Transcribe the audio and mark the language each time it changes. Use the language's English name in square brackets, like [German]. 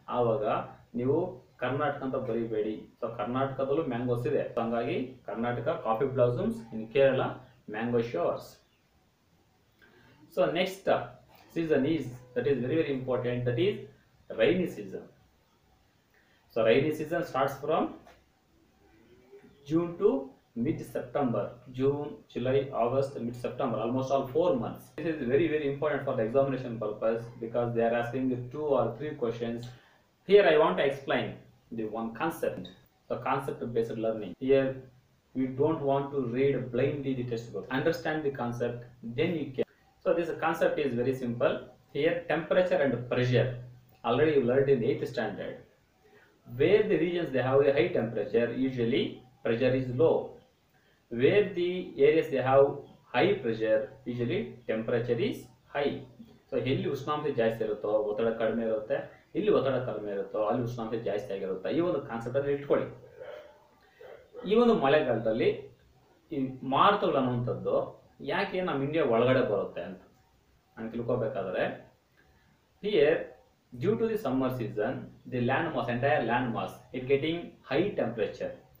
[Kannada] ಆವಾಗ ನೀವು ಕರ್ನಾಟಕ ಅಂತ ಬರೀಬೇಡಿ. ಸೊ ಕರ್ನಾಟಕದಲ್ಲೂ ಮ್ಯಾಂಗೋಸ್ ಇದೆ, ಹಂಗಾಗಿ Karnataka coffee blossoms, [English] In Kerala mango showers. So next season is that is very very important, that is rainy season. So rainy season starts from June to mid-September. June, July, August, mid-September, almost all 4 months. This is very, very important for the examination purpose because they are asking the two or three questions. Here I want to explain the one concept, the concept-based learning. Here we don't want to read blindly the textbook. Understand the concept, then you can. So this concept is very simple. Here temperature and pressure, already you learned in 8th standard. Where the regions they have a high temperature, usually pressure is low. Where the areas they have high pressure, usually temperature is high. [Kannada] So ಇಲ್ಲಿ ಉಷ್ಣಾಂಶ ಜಾಸ್ತಿ ಇರುತ್ತೋ ಒತ್ತಡ ಕಡಿಮೆ ಇರುತ್ತೆ, ಇಲ್ಲಿ ಒತ್ತಡ ಕಡಿಮೆ ಇರುತ್ತೋ ಅಲ್ಲಿ ಉಷ್ಣಾಂಶ ಜಾಸ್ತಿ ಆಗಿರುತ್ತೆ. ಈ ಒಂದು ಕಾನ್ಸೆಪ್ಟ್ ಅನ್ನು ಇಟ್ಕೊಳ್ಳಿ. ಈ ಒಂದು ಮಳೆಗಾಲದಲ್ಲಿ ಈ ಮಾರುತಗಳು ಅನ್ನುವಂಥದ್ದು ಯಾಕೆ ನಮ್ಮ ಇಂಡಿಯಾ ಒಳಗಡೆ ಬರುತ್ತೆ ಅಂತ ನಾನು ತಿಳ್ಕೋಬೇಕಾದ್ರೆ, [English] Here due to the summer season the land mass, entire land mass it getting high temperature.